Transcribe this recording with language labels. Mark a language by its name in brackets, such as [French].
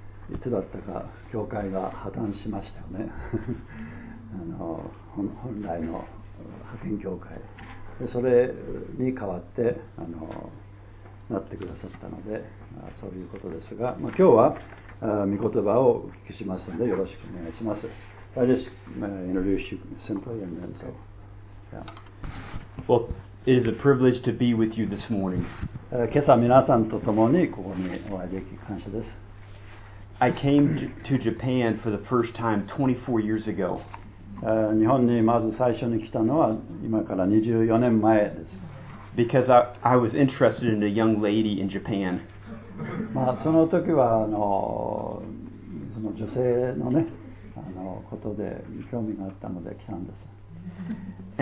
[Japanese] いつだったか教会が破綻しましたよね。本来の派遣協会で、それに代わってなってくださったので、そういうことですが、今日は御言葉をお聞きしますので、よろしくお願いします。 [English] I just introduce you simply and then so、yeah. Well, it is a privilege to be with you this morning. [Japanese] 今朝皆さんと共にここにお会いでき感謝です。 [English] I came to Japan for the first time 24 years ago. [Japanese] 日本にまず最初に来たのは今から24年前です。 [English] Because I was interested in a young lady in Japan. [Japanese] その時はその女性のね、ことで興味があったので来たんです。